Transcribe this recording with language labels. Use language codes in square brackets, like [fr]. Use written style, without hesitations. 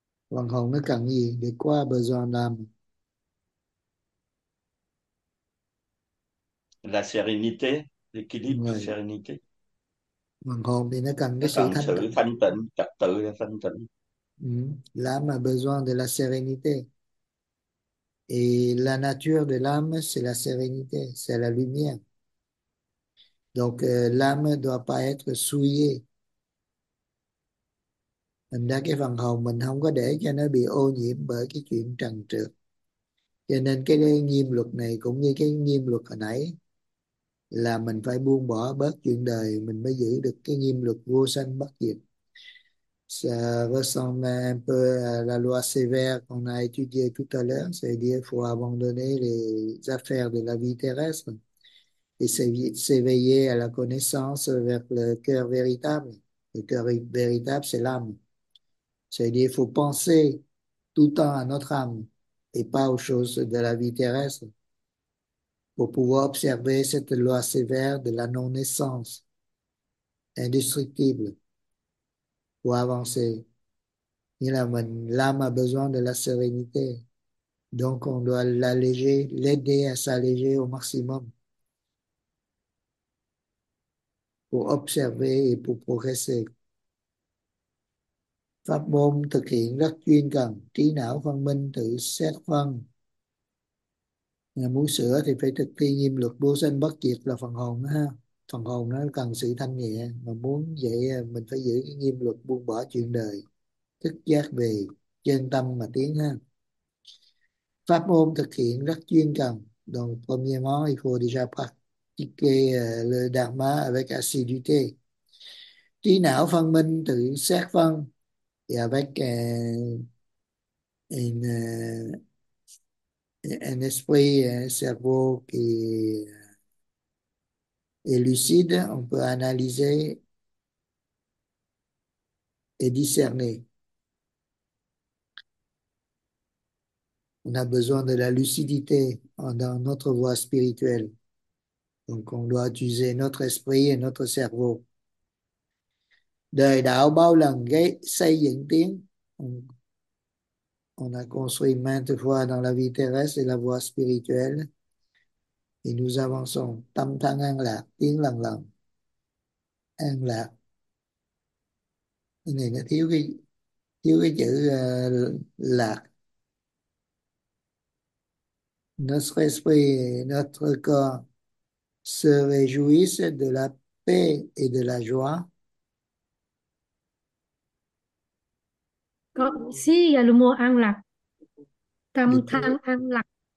[vi] Phần hồn nó cần gì để qua [fr] besoin d'âme? La sérénité, l'équilibre, Ouais. sérénité. [vi] Phần hồn thì nó cần cái Nó sự cần thanh sự thanh tịnh, trật tự là thanh tịnh. tịnh. [fr] L'âme a besoin de la sérénité. Et la nature de l'âme, c'est la sérénité, c'est la lumière. Donc, l'âme ne doit pas être souillée. [vi] Thành ra cái phần hồn mình không có để cho nó bị ô nhiễm bởi cái chuyện trần trược. Cho nên cái nghiêm luật này cũng như cái nghiêm luật hồi nãy là mình phải buông bỏ bớt chuyện đời mình mới giữ được cái nghiêm luật vô sanh bất diệt. [fr] Ça ressemble un peu à la loi sévère qu'on a étudiée tout à l'heure, c'est-à-dire qu'il faut abandonner les affaires de la vie terrestre et s'éveiller à la connaissance vers le cœur véritable. Le cœur véritable, c'est l'âme. C'est-à-dire qu'il faut penser tout le temps à notre âme et pas aux choses de la vie terrestre pour pouvoir observer cette loi sévère de la non-naissance indestructible pour avancer. L'âme a besoin de la sérénité, donc on doit l'alléger, l'aider à s'alléger au maximum pour observer et pour progresser. [vi] Pháp môn thực hiện rất chuyên cần, trí não phân minh tự xét phân. Nhà muốn sửa thì phải thực thi nghiêm luật vô sanh bất diệt là phần hồn đó, ha. Phần hồn nó cần sự thanh nhẹ, mà muốn vậy mình phải giữ cái nghiêm luật buông bỏ chuyện đời, thức giác về chân tâm mà tiến ha. Pháp môn thực hiện rất chuyên cần, [fr] donc premièrement il faut déjà pratiquer le dharma avec assiduité. [vi] Trí não phân minh tự xét phân. [fr] Et avec un esprit, un cerveau qui est lucide, on peut analyser et discerner. On a besoin de la lucidité dans notre voie spirituelle. Donc on doit utiliser notre esprit et notre cerveau. [vi] Đời đạo bao lần xây dựng tiến. [fr] On a construit maintes fois dans la vie terrestre et la voie spirituelle. Et nous avançons. [vi] Tâm thân an lạc, tiến lần lần. An lạc. Cái này nó thiếu cái chữ lạc. [fr] Notre esprit, notre corps se réjouissent de la paix et de la joie. Có, si, il y a le mot an lạc. [vi] Được Tâm chứ? thân an lạc.